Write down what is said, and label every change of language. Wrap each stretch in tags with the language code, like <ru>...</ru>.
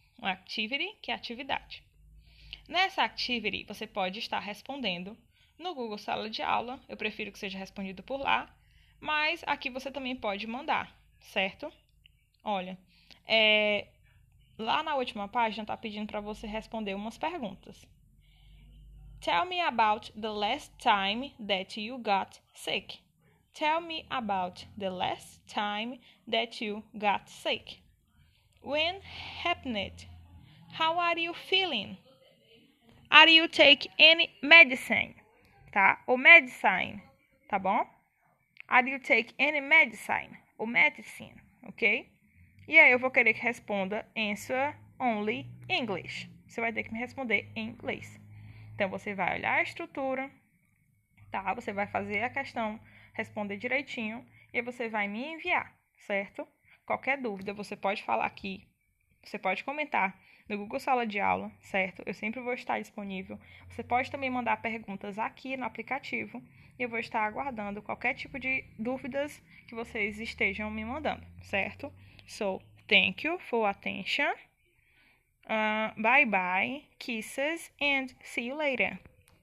<pt>Um activity, que é atividade. Nessa activity, você pode estar respondendo no Google Sala de Aula, eu prefiro que seja respondido por lá, mas aqui você também pode mandar, certo? Olha, lá na última página está pedindo para você responder umas perguntas.</pt> <en>Tell me about the last time that you got sick. Tell me about the last time that you got sick. When happened? How are you feeling? Are you taking any medicine?</en> <pt>Tá? O medicine, tá bom?</pt> <en>Are you taking any medicine? O medicine, ok?</en> <pt>E aí eu vou querer que responda</pt> <en>answer only English.</en> <pt>Você vai ter que me responder em inglês. Então você vai olhar a estrutura, tá? Você vai fazer a questão, responder direitinho e você vai me enviar, certo? Qualquer dúvida você pode falar aqui, você pode comentar no Google Sala de Aula, certo? Eu sempre vou estar disponível. Você pode também mandar perguntas aqui no aplicativo e eu vou estar aguardando qualquer tipo de dúvidas que vocês estejam me mandando, certo?</pt> <en>So, thank you for attention. Bye bye, kisses, and see you later.</en>